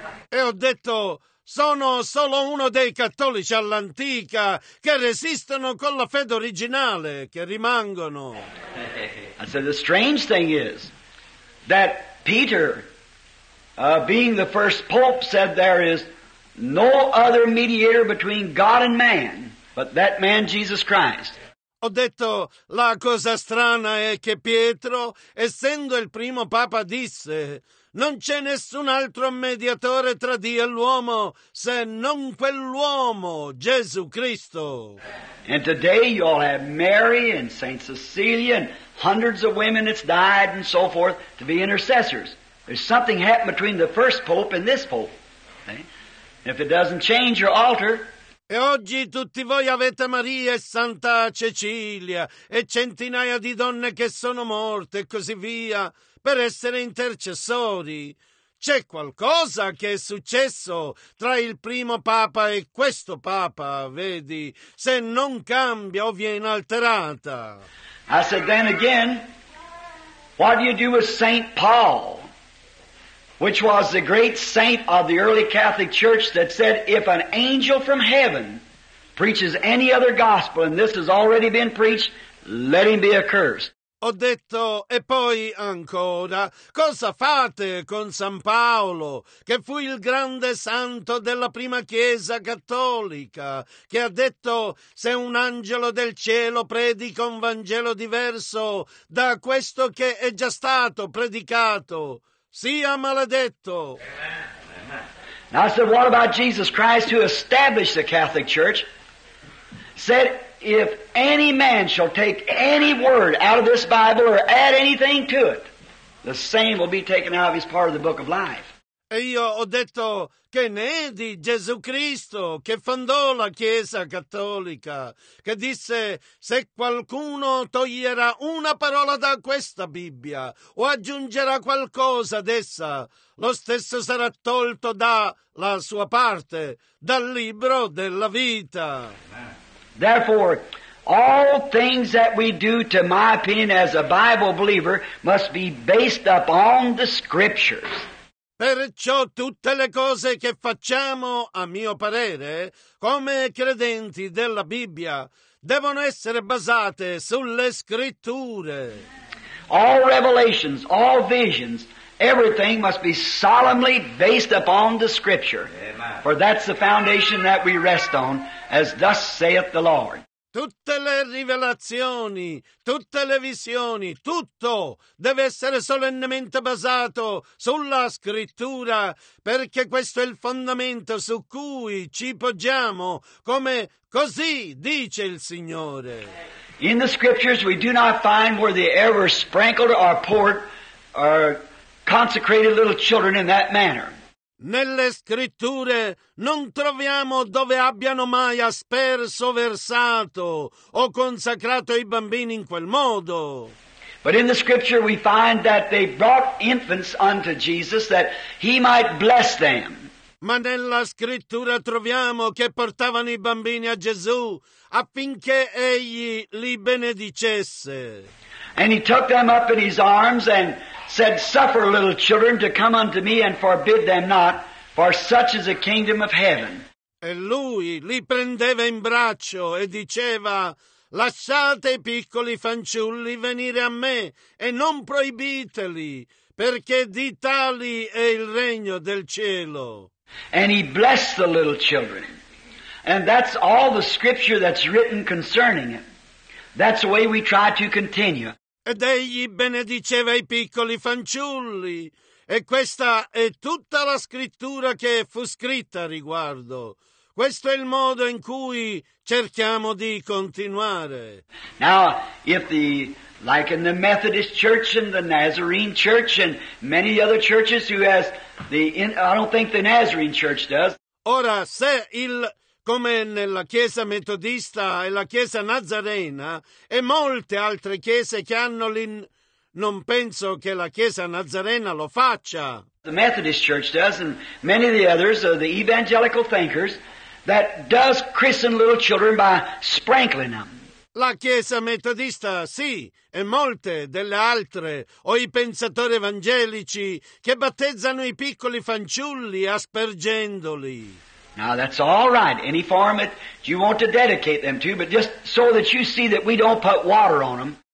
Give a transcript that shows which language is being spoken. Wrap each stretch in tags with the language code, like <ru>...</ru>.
<it>E ho detto, sono solo uno dei cattolici all'antica che resistono con la fede originale, che rimangono.</it> <en>I said, the strange thing is that Peter, being the first pope, said there is no other mediator between God and man but that man Jesus Christ.</en> <it>Ho detto, la cosa strana è che Pietro, essendo il primo papa, disse, non c'è nessun altro mediatore tra Dio e l'uomo, se non quell'uomo, Gesù Cristo.</it> <en>And today you all have Mary and Saint Cecilia and hundreds of women that's died and so forth to be intercessors. There's something happened between the first pope and this pope. Okay? If it doesn't change your altar.</en> <it>E oggi tutti voi avete Maria e Santa Cecilia e centinaia di donne che sono morte e così via per essere intercessori. C'è qualcosa che è successo tra il primo Papa e questo Papa, vedi, se non cambia o viene alterata.</it> <en>I said, then again, what do you do with Saint Paul? Which was the great saint of the early Catholic Church that said, if an angel from heaven preaches any other gospel, and this has already been preached, let him be accursed.</en> <it>Ho detto, e poi ancora, cosa fate con San Paolo, che fu il grande santo della prima Chiesa Cattolica, che ha detto, se un angelo del cielo predica un Vangelo diverso da questo che è già stato predicato, sia maledetto.</it> <en>And I said, what about Jesus Christ, who established the Catholic Church? Said, if any man shall take any word out of this Bible or add anything to it, the same will be taken out of his part of the book of life.</en> <it>E io ho detto, che ne è di Gesù Cristo che fondò la Chiesa Cattolica, che disse, se qualcuno toglierà una parola da questa Bibbia o aggiungerà qualcosa ad essa, lo stesso sarà tolto dalla sua parte, dal libro della vita.</it> <en>Therefore, all things that we do, to my opinion, as a Bible believer, must be based upon the Scriptures.</en> <it>Perciò tutte le cose che facciamo, a mio parere, come credenti della Bibbia, devono essere basate sulle Scritture.</it> <en>All revelations, all visions, everything must be solemnly based upon the Scripture. Amen. For that's the foundation that we rest on, as thus saith the Lord.</en> <it>Tutte le rivelazioni, tutte le visioni, tutto deve essere solennemente basato sulla Scrittura, perché questo è il fondamento su cui ci poggiamo, come così dice il Signore.</it> <en>In the Scriptures we do not find where they ever sprinkled or poured or consecrated little children in that manner.</en> <it>Nelle Scritture non troviamo dove abbiano mai asperso, versato o consacrato i bambini in quel modo.</it> <en>But in the Scripture we find that they brought infants unto Jesus that he might bless them.</en> <it>Ma nella Scrittura troviamo che portavano i bambini a Gesù affinché egli li benedicesse.</it> <en>And he took them up in his arms and said, suffer little children to come unto me and forbid them not, for such is the kingdom of heaven.</en> <it>E lui li prendeva in braccio e diceva, lasciate i piccoli fanciulli venire a me e non proibiteli, perché di tali è il regno del cielo.</it> <en>And he blessed the little children. And that's all the scripture that's written concerning it. That's the way we try to continue.</en> <it>Ed egli benediceva i piccoli fanciulli, e questa è tutta la scrittura che fu scritta a riguardo. Questo è il modo in cui cerchiamo di continuare.</it> <en>Now, if the, like in the Methodist Church and the Nazarene Church and many other churches who has the, I don't think the Nazarene Church does.</en> <it>Ora, se il... come nella Chiesa Metodista e la Chiesa Nazarena e molte altre chiese che hanno l'in... non penso che la Chiesa Nazarena lo faccia.</it> <en>The Methodist Church does, and many of the others are the evangelical thinkers that does christen little children by sprinkling them.</en> <it>La Chiesa Metodista sì, e molte delle altre, o i pensatori evangelici che battezzano i piccoli fanciulli aspergendoli.</it> <en>Now that's all right, any form that you want to dedicate them to, but just so that you see that we don't put water on them.</en>